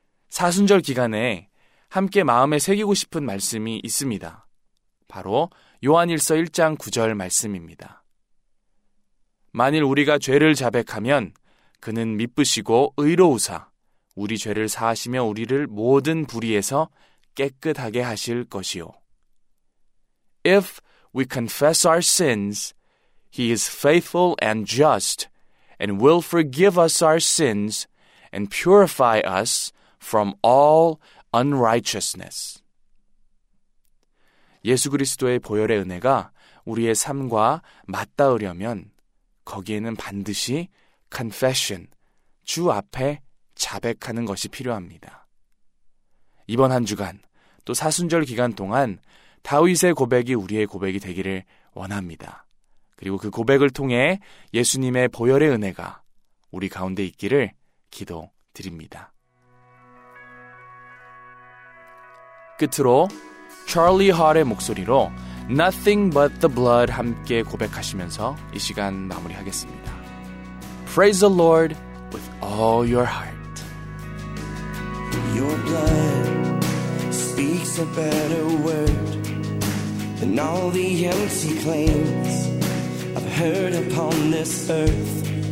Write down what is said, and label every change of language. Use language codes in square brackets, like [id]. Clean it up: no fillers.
[ko] 사순절 기간에 함께 마음에 새기고 싶은 말씀이 있습니다. 바로 요한일서 1장 9절 말씀입니다. 만일 우리가 죄를 자백하면 그는 미쁘시고 의로우사 우리 죄를 사하시며 우리를 모든 불의에서 깨끗하게 하실 것이요. [en] If we confess our sins, he is faithful and just and will forgive us our sins and purify us from all unrighteousness. [ko] 예수 그리스도의 보혈의 은혜가 우리의 삶과 맞닿으려면 거기에는 반드시 confession, 주 앞에 자백하는 것이 필요합니다. 이번 한 주간 또 사순절 기간 동안 다윗의 고백이 우리의 고백이 되기를 원합니다. 그리고 그 고백을 통해 예수님의 보혈의 은혜가 우리 가운데 있기를 기도 드립니다. 끝으로 찰리 하트의 목소리로 Nothing but the blood 함께 고백하시면서 이 시간 마무리하겠습니다. [en] Praise the Lord with all your heart. Your blood speaks a better word than all the empty claims I've heard upon this earth.